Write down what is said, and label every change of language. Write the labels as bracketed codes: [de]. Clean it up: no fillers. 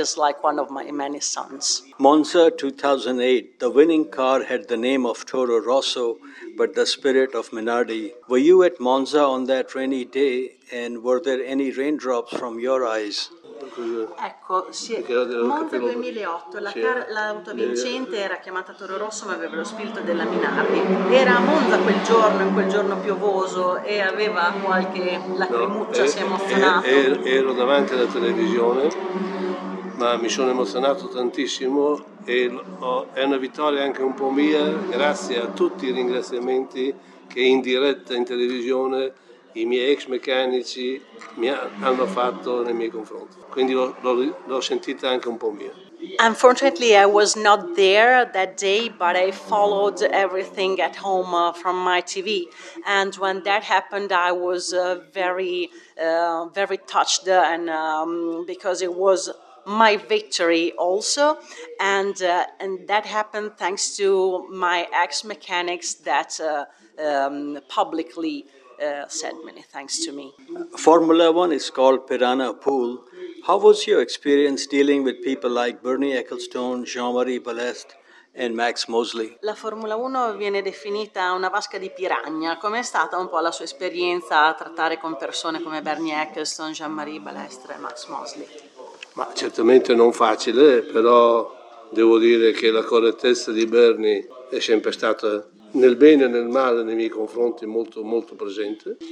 [en] He is like one of my many sons. Monza 2008, the winning car had the name of Toro Rosso, but the spirit of Minardi. Were you at Monza on that rainy day, and were there any raindrops from your eyes? [it] Ecco, sì, Monza 2008, l'auto vincente era chiamata Toro Rosso ma aveva lo spirito della Minardi. Era a Monza quel giorno, in quel giorno piovoso, e aveva qualche lacrimuccia, no, si è emozionato. Ero davanti alla televisione, ma mi sono emozionato tantissimo e è una vittoria anche un po' mia, grazie a tutti i ringraziamenti che in diretta in televisione i miei ex meccanici mi hanno fatto nei miei confronti. Quindi l'ho sentita anche un po' mia. [en] Unfortunately, I was not there that day, but I followed everything at home from my TV. And when that happened, I was very touched, and because it was my victory also, and that happened thanks to my ex mechanics that publicly said many thanks to me. Formula One is called Piranha Pool. How was your experience dealing with people like Bernie Ecclestone, Jean-Marie Balestre and Max Mosley? [it] La Formula 1 viene definita una vasca di piranha. Com'è stata un po' la sua esperienza a trattare con persone come Bernie Ecclestone, Jean-Marie Balestre e Max Mosley? Ma certamente non facile, però devo dire che la correttezza di Bernie è sempre stata nel bene e nel male nei miei confronti molto molto presente.